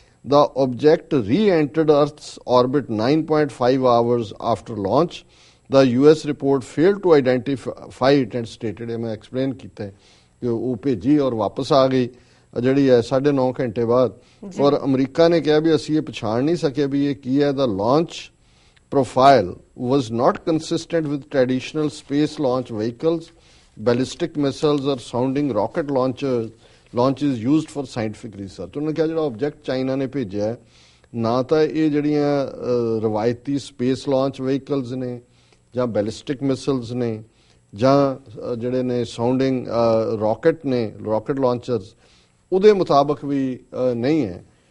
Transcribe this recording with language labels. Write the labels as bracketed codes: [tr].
[en] the object reentered earth orbit 9.5 hours after launch, the US report fail to identify it and stated, [pa] ਮੈਂ explain ਕੀਤਾ ਕਿ ਉਹ ਭੇਜੀ ਔਰ ਵਾਪਸ ਆ ਗਈ ਜਿਹੜੀ ਹੈ 9.5 ਘੰਟੇ ਬਾਅਦ। ਔਰ ਅਮਰੀਕਾ ਨੇ ਕਿਹਾ ਵੀ ਅਸੀਂ ਇਹ ਪਛਾਣ ਨਹੀਂ ਸਕੇ ਵੀ ਇਹ ਕੀ ਹੈ, [en] ਦਾ launch profile was not consistent with traditional space launch vehicles, ballistic missiles or sounding rocket launches used for scientific research. [pa] ਉਹਨਾਂ ਕਿਹਾ ਜਿਹੜਾ ਆਬਜੈਕਟ ਚਾਈਨਾ ਨੇ ਭੇਜਿਆ ਨਾ ਤਾਂ ਇਹ ਜਿਹੜੀਆਂ ਰਵਾਇਤੀ ਸਪੇਸ ਲਾਂਚ ਵਹੀਕਲਸ ਨੇ ਜਾਂ ਬੈਲਿਸਟਿਕ ਮਿਸਲਸ ਨੇ ਜਾਂ ਜਿਹੜੇ ਨੇ ਸਾਊਂਡਿੰਗ ਰਾਕਟ ਨੇ ਰਾਕਟ ਲਾਂਚਰਸ ਉਹਦੇ ਮੁਤਾਬਕ ਵੀ ਨਹੀਂ ਹੈ.